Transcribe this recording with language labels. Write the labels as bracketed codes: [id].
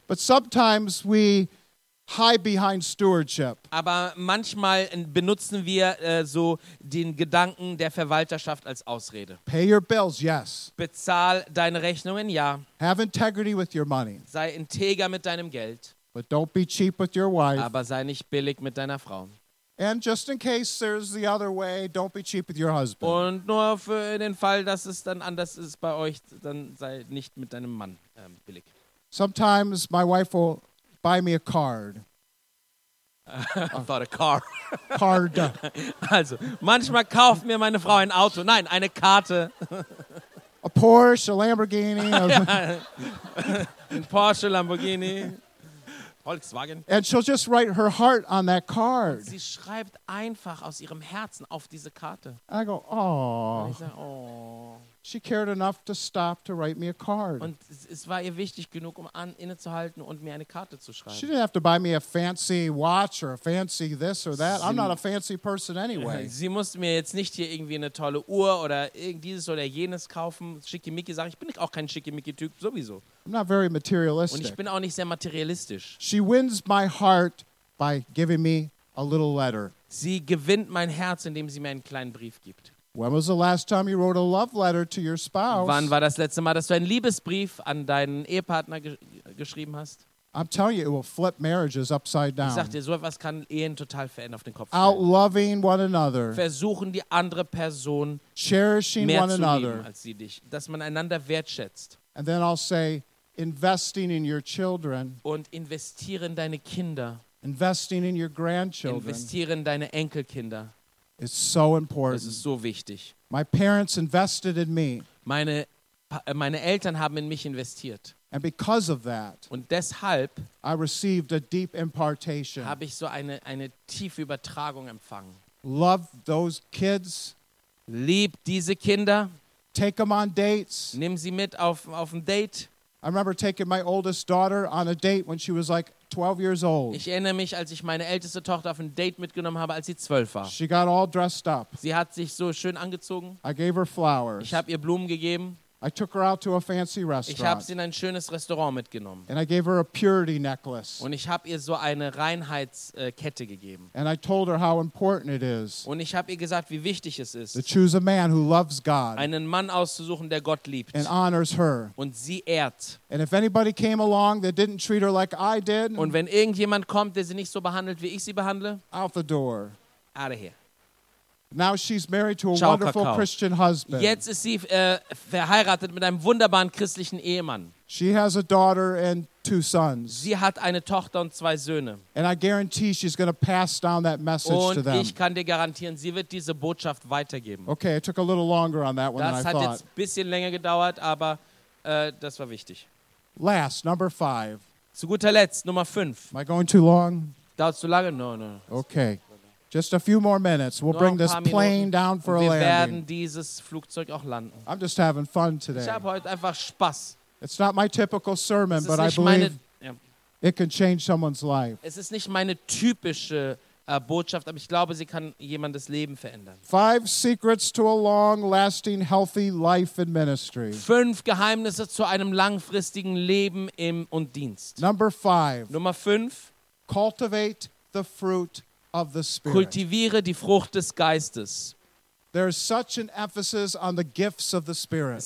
[en] But sometimes we hide behind stewardship. [de] Aber manchmal benutzen wir so den Gedanken der Verwalterschaft als Ausrede. [en] Pay your bills, yes. [de] Bezahl deine Rechnungen, ja. [en] Have integrity with your money. [de] Sei integer mit deinem Geld. [en] But don't be cheap with your wife. [de] Aber sei nicht billig mit deiner Frau. [en] And just in case there's the other way, don't be cheap with your husband. [de] Und nur für den Fall, dass es dann anders ist bei euch, dann sei nicht mit deinem Mann billig. [en] Sometimes my wife will buy me a card. I thought a car. Card. [de] Also, manchmal kauft mir meine Frau ein Auto. Nein, eine Karte. [en] A Porsche, a Lamborghini. [de] Ein Porsche, Lamborghini. Volkswagen. [en] And she'll just write her heart on that card. [de] Sie schreibt einfach aus ihrem Herzen auf diese Karte. [en] I go, oh. She cared enough to stop to write me a card. [de] Und es war ihr wichtig genug, um innezuhalten und mir eine Karte zu schreiben. [en] She didn't have to buy me a fancy watch or a fancy this or that. I'm not a fancy person anyway. [de] Sie musste mir jetzt nicht hier irgendwie eine tolle Uhr oder dieses oder jenes kaufen. Schickimicki sagen, ich bin auch kein Schickimicki-Typ sowieso. [en] I'm not very materialistic. [de] Und ich bin auch nicht sehr materialistisch. [en] She wins my heart by giving me a little letter. [de] Sie gewinnt mein Herz, indem sie mir einen kleinen Brief gibt. [en] When was the last time you wrote a love letter to your spouse? [de] Wann war das letzte Mal, dass du einen Liebesbrief an deinen Ehepartner geschrieben hast? [en] I'm telling you, it will flip marriages upside down. [de] Ich sag dir, so etwas kann Ehen total verändern auf den Kopf. [en] Out loving one another. [de] Versuchen die andere Person [en] cherishing [de] mehr [en] one [de] zu [en] another. [de] Lieben als sie dich, dass man einander wertschätzt. [en] And then I'll say, investing in your children. [de] Und investieren in deine Kinder. [en] Investing in your grandchildren. [de] Investieren in deine Enkelkinder. [en] It's so important. [de] Das ist so wichtig. [en] My parents invested in me. [de] Meine Eltern haben in mich investiert. [en] And because of that, [de] und deshalb [en] I received a deep impartation. [de] Habe ich so eine tiefe Übertragung empfangen. [en] Love those kids. [de] Lieb diese Kinder. [en] Take them on dates. [de] Nimm sie mit auf ein Date. [en] I remember taking my oldest daughter on a date when she was like 12 years old. [de] Ich erinnere mich, als ich meine älteste Tochter auf ein Date mitgenommen habe, als sie 12 war. [en] She got all dressed up. [de] Sie hat sich so schön angezogen. [en] I gave her flowers. [de] Ich habe ihr Blumen gegeben. [en] I took her out to a fancy restaurant. [de] Ich habe sie in ein schönes Restaurant mitgenommen. [en] And I gave her a purity necklace. [de] Und ich habe ihr so eine Reinheitskette gegeben. [en] And I told her how important it is. [de] Und ich habe ihr gesagt, wie wichtig es ist. [en] To choose a man who loves God. [de] Einen Mann auszusuchen, der Gott liebt. [en] And honors her. [de] Und sie ehrt. [en] And if anybody came along that didn't treat her like I did. [de] Und wenn irgendjemand kommt, der sie nicht so behandelt, wie ich sie behandle. [en] Out the door. Out of here. Now she's married to a wonderful Christian husband. [de] Jetzt ist sie verheiratet mit einem wunderbaren christlichen Ehemann. [en] She has a daughter and two sons. [de] Sie hat eine Tochter und zwei Söhne. [en] And I guarantee she's going to pass down that message to them. [de] Und ich kann dir garantieren, sie wird diese Botschaft weitergeben. [en] Okay, it took a little longer on that one than I thought. [de] Das hat jetzt ein bisschen länger gedauert, aber das war wichtig. [en] Last, number five. [de] Zu guter Letzt, Nummer 5. [en] Am I going too long? [de] Dauert zu lange? [en] No. Okay. Just a few more minutes. We'll bring this plane down for a landing. [de] Wir werden dieses Flugzeug auch landen. [en] I'm just having fun today. [de] Ich habe heute einfach Spaß. [en] It's not my typical sermon, but I believe it can change someone's life. [de] Es ist nicht meine typische Botschaft, aber ich glaube, sie kann jemandes Leben verändern. [en] 5 secrets to a long-lasting, healthy life in ministry. [de] 5 Geheimnisse zu einem langfristigen Leben im und Dienst. [en] Number 5. [de] Nummer 5. [en] Cultivate the fruit of the Spirit. [de] Kultiviere die Frucht des Geistes. [en] There is such an emphasis on the gifts of the Spirit.